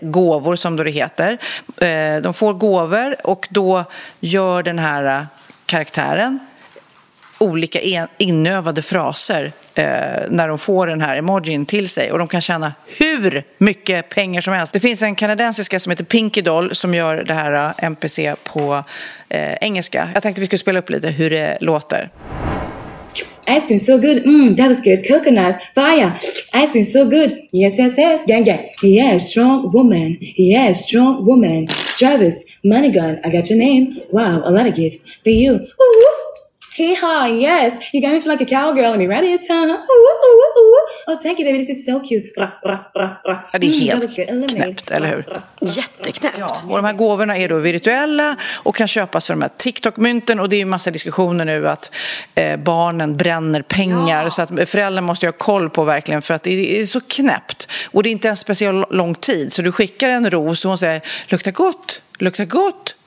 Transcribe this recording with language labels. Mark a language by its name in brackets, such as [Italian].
[Swedish] Gåvor som det heter. De får gåvor och då gör den här karaktären olika inövade fraser när de får den här emojin till sig, och de kan tjäna hur mycket pengar som helst. Det finns en kanadensiska som heter Pinky Doll som gör det här NPC på engelska. Jag tänkte vi skulle spela upp lite hur det låter. [English] Ice cream so good, that was good. Coconut, fire, ice cream so good. Yes, yes, yes, gang, gang. Yeah, strong woman, yeah, strong woman. Travis, money gun, I got your name. Wow, a lot of gifts for you. Woohoo! Hee-haw, yes, you got me feeling like a cowgirl. Let me ride your tongue. Ooh, ooh, ooh, ooh. Oh, thank you, baby, this is so cute. [Swedish] Det är helt knäppt, eller hur? Jätteknäppt. Ja. Och de här gåvorna är då virtuella och kan köpas för de här TikTok-mynten. Och det är ju massa diskussioner nu att barnen bränner pengar. Ja. Så att föräldrar måste ha koll på verkligen, för att det är så knäppt. Och det är inte en speciell lång tid. Så du skickar en ros och hon säger, luktar gott, luktar gott.